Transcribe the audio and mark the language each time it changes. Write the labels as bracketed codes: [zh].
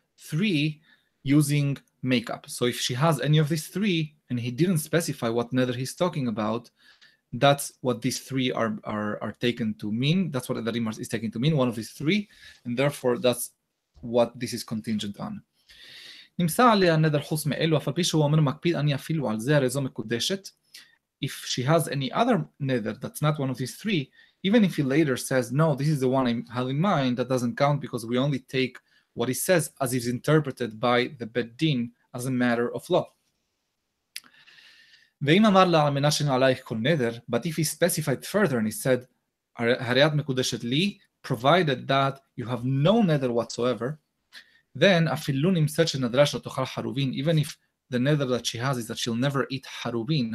[en] Three, using makeup. So if she has any of these three, and he didn't specify what nether he's talking about, that's what these three are taken to mean. That's what nedarim is taken to mean, one of these three, and therefore that's what this is contingent on. [he] נמצא עליה נדר חוס מאלו, אף על פי שהוא אומר מקפיד אני אפילו על זה, הרי זו מקודשת. [en] If she has any other nether that's not one of these three, even if he later says, no, this is the one I have in mind, that doesn't count because we only take what he says as is interpreted by the Bet Din as a matter of law. [he] ואם אמר לה על מנה שנעלייך כל נדר, [en] but if he specified further and he said, [he] הרי את מקודשת לי, [en] provided that you have no nether whatsoever, then [he] אפילו נמצאת שנדרה שלא תאכל חרובין, [en] even if the nether that she has is that she'll never eat חרובין.